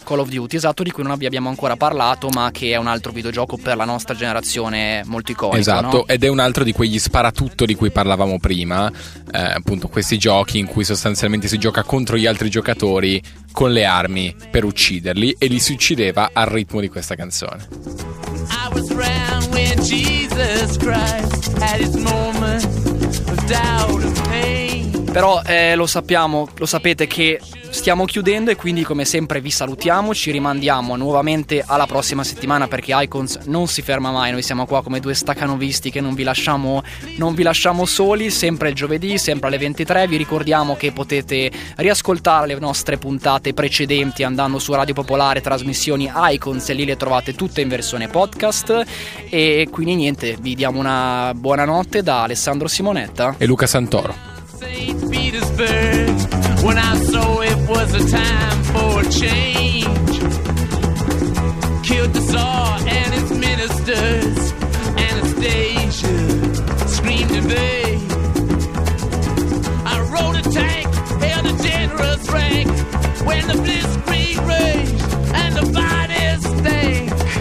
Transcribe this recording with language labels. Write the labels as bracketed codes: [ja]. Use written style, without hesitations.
[it] Call of Duty, esatto, di cui non abbiamo ancora parlato, ma che è un altro videogioco per la nostra generazione molto iconico. Esatto, no? Ed è un altro di quegli sparatutto di cui parlavamo prima, appunto questi giochi in cui sostanzialmente si gioca contro gli altri giocatori con le armi per ucciderli, e li si uccideva al ritmo di questa canzone. [en] I was around when Jesus Christ had his moment of doubt and pain. [it] Però lo sappiamo, lo sapete che stiamo chiudendo, e quindi come sempre vi salutiamo, ci rimandiamo nuovamente alla prossima settimana, perché Icons non si ferma mai, noi siamo qua come due stacanovisti che non vi lasciamo soli, sempre il giovedì, sempre alle 23. Vi ricordiamo che potete riascoltare le nostre puntate precedenti andando su Radio Popolare Trasmissioni Icons, e lì le trovate tutte in versione podcast. E quindi niente, vi diamo una buona notte da Alessandro Simonetta e Luca Santoro. St. [en] Petersburg, when I saw it was a time for change, killed the Tsar and its ministers, Anastasia screamed in vain. I rode a tank, held a generous rank, when the blitzkrieg raged and the bodies stank.